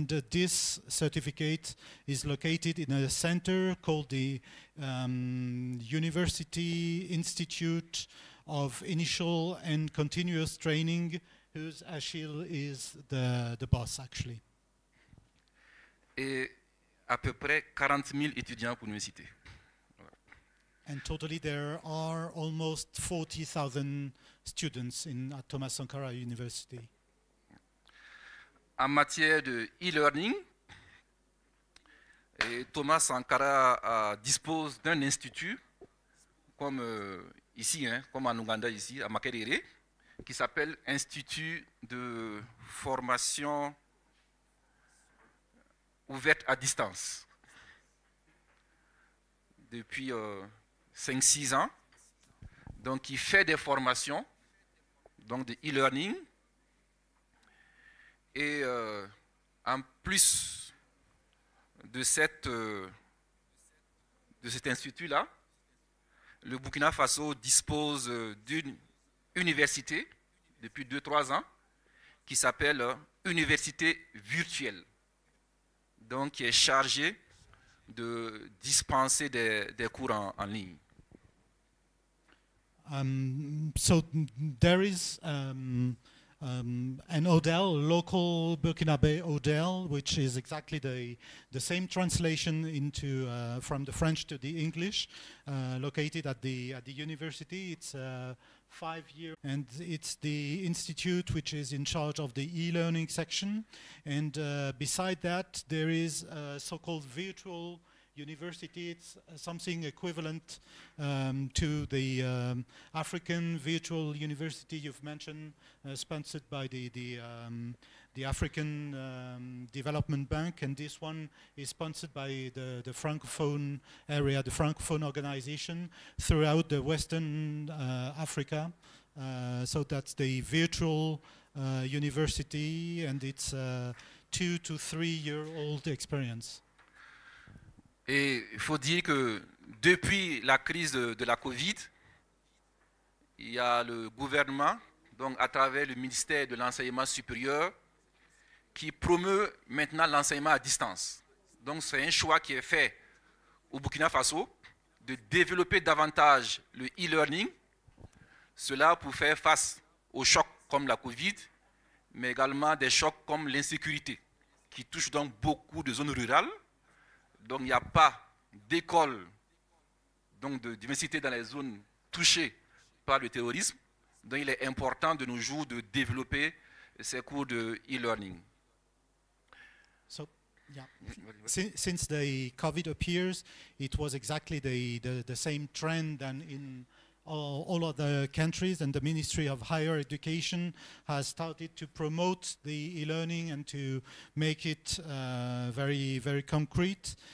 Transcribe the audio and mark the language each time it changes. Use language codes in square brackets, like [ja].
[en] This certificate is located in a center called the University Institute of Initial and Continuous Training, whose Achille is the boss, actually. [fr] Et à peu près 40 000 étudiants pour l'université. [en] And totally there are almost 40,000 students at Thomas Sankara University. [fr] En matière de e-learning, et Thomas Sankara dispose d'un institut comme ici, hein, comme en Ouganda ici, à Makerere, qui s'appelle Institut de formation ouverte à distance depuis 5-6 ans, donc qui fait des formations, donc de e-learning, et en plus de cet institut-là, le Burkina Faso dispose d'une université depuis 2-3 ans qui s'appelle Université Virtuelle. Donc, qui est chargé de dispenser des cours en ligne. [en] So there is an hotel, local Burkinabe hotel, which is exactly the same translation into from the French to the English, located at the university. It's a 5-year, and it's the institute which is in charge of the e-learning section. And beside that, there is a so-called virtual university. It's something equivalent to the African virtual university you've mentioned, sponsored by the African Development Bank, and this one is sponsored by the Francophone area, the Francophone organization throughout the Western Africa. So that's the virtual university, and it's a 2 to 3 year old experience. [fr] Et il faut dire que depuis la crise de la COVID, il y a le gouvernement, donc à travers le ministère de l'enseignement supérieur, qui promeut maintenant l'enseignement à distance. Donc c'est un choix qui est fait au Burkina Faso de développer davantage le e-learning, cela pour faire face aux chocs comme la COVID, mais également des chocs comme l'insécurité, qui touche donc beaucoup de zones rurales. Donc il n'y a pas d'école, donc de diversité dans les zones touchées par le terrorisme. Donc il est important de nos jours de développer ces cours de e-learning. [en] So, yeah. Since the COVID appears, it was exactly the same trend than in all other countries, and the Ministry of Higher Education has started to promote the e-learning and to make it very, very concrete.